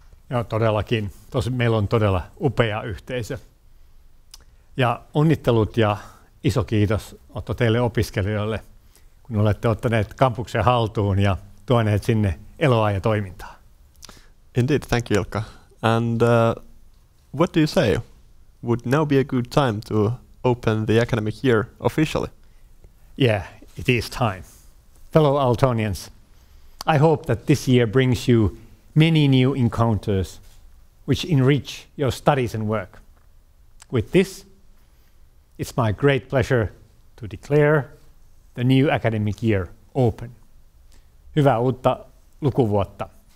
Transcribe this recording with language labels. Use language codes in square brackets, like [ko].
[fi] Joo, todellakin. Tosi meillä on todella upea yhteisö. Ja onnittelut ja iso kiitos Otto teille opiskelijoille, kun olette ottaneet kampuksen haltuun ja tuoneet sinne eloa ja toimintaa. [en] Indeed, thank you Ilkka. And what do you say? Would now be a good time to open the academic year officially? Yeah, it is time. Fellow Aaltonians, I hope that this year brings you many new encounters which enrich your studies and work. With this, it's my great pleasure to declare the new academic year open. [fi] Hyvää uutta lukuvuotta.